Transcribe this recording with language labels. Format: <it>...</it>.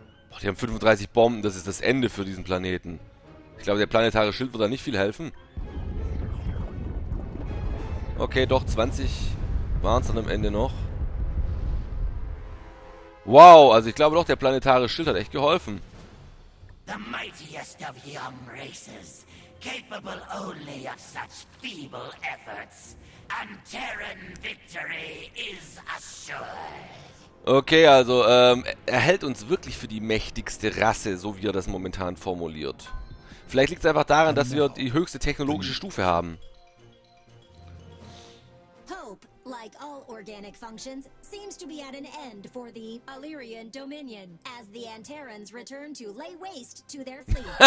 <de>Boah, die haben 35 Bomben, das ist das Ende für diesen Planeten. Ich glaube, der planetare Schild wird da nicht viel helfen. Okay, doch, 20 waren es dann am Ende noch. Wow, also ich glaube doch, der planetare Schild hat echt geholfen.</de> <en>The mightiest of young races. Capable only of such feeble efforts. And Terran victory is assured.</en> <de>Okay, also er hält uns wirklich für die mächtigste Rasse, so wie er das momentan formuliert. Vielleicht liegt es einfach daran, dass wir die höchste technologische Stufe haben.</de> <en>Hope, like all organic functions, seems to be at an end for the Illyrian Dominion, as the Antarans return to lay waste to their fleet.</en>